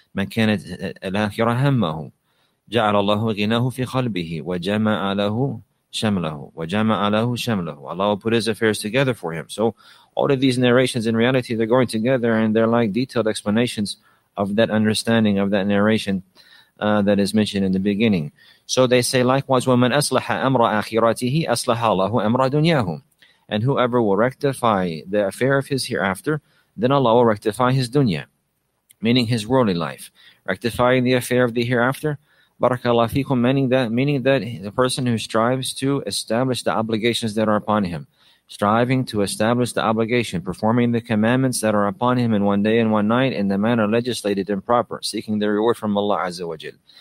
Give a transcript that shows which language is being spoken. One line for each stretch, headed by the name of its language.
Arabic: مَنْ كَانَتْ الْأَخِرَهَمَّهُ جَعَلَ اللَّهُ غِنَاهُ فِي خَلْبِهِ وَجَمَعَ لَهُ شَمْلَهُ وَجَمَعَ لَهُ شَمْلَهُ.
English: Allah will put his affairs together for him. So all of these narrations, in reality, they're going together and they're like detailed explanations of that understanding, of that narration that is mentioned in the beginning. So they say, likewise,
Arabic: وَمَنْ أَصْلَحَ أَمْرَ أَخِرَتِهِ أَصْلَحَ اللَّهُ أَمْرَ دُنْيَاهُ.
English: And whoever will rectify the affair of his hereafter, then Allah will rectify his dunya, meaning his worldly life. Rectifying the affair of the hereafter, barakallahu fikum, meaning that the person who strives to establish the obligations that are upon him, striving to establish the obligation, performing the commandments that are upon him in one day and one night in the manner legislated and proper, seeking the reward from Allah Azza wa Jal.